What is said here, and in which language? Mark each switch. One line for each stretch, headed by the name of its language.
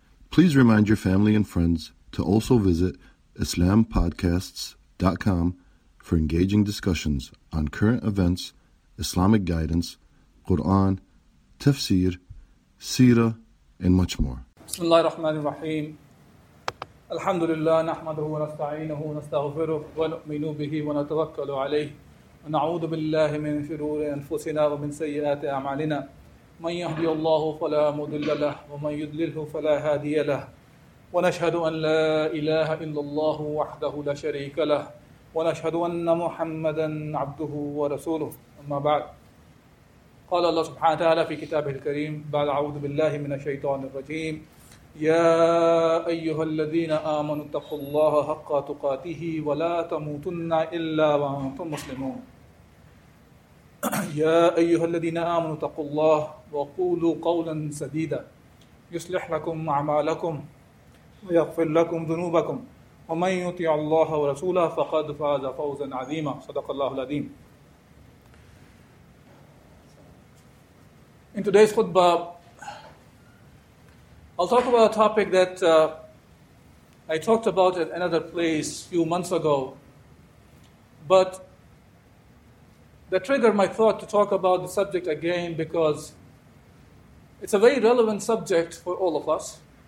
English: Please remind your family and friends to also visit IslamPodcasts.com for engaging discussions on current events, Islamic guidance, Quran, tafsir, seerah, and much more.
Arabic: Bismillah ar-Rahman ar-Rahim. الحمد لله نحمده ونستعينه ونستغفره ونؤمن به ونتوكل عليه ونعوذ بالله من شرور أنفسنا ومن سيئات أعمالنا من يهدي الله فلا مضل له ومن يضلله فلا هادي له ونشهد أن لا إله إلا الله وحده لا شريك له ونشهد أن محمدا عبده ورسوله أما بعد قال الله سبحانه وتعالى في كتابه الكريم بعد أعوذ بالله من الشيطان الرجيم يا ايها الذين امنوا اتقوا الله حق تقاته ولا تموتن الا وانتم مسلمون يا ايها الذين امنوا اتقوا الله وقولوا قولا سديدا يصلح لكم اعمالكم ويغفر لكم ذنوبكم ومن يطع الله ورسوله فقد فاز فوزا عظيما صدق الله العظيم.
English: In today's khutbah, I'll talk about a topic that I talked about at another place a few months ago, but that triggered my thought to talk about the subject again because it's a very relevant subject for all of us.